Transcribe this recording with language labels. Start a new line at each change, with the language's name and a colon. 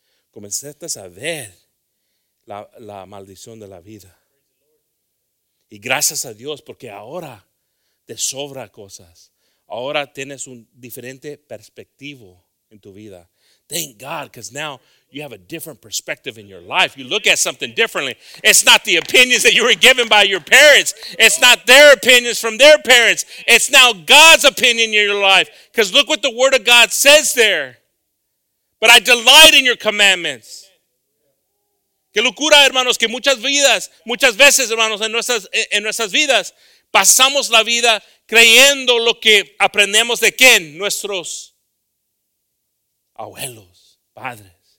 Spanish: Comenzaste a ver la maldición de la vida. Y gracias a Dios, porque ahora te sobra cosas. Ahora tienes un diferente perspectivo en tu vida.
English: Thank God, because now you have a different perspective in your life. You look at something differently. It's not the opinions that you were given by your parents. It's not their opinions from their parents. It's now God's opinion in your life. Because look what the Word of God says there. But I delight in your commandments.
Spanish: Qué locura, hermanos, que muchas veces, hermanos, en nuestras vidas, pasamos la vida creyendo lo que aprendemos de quién, nuestros abuelos, padres.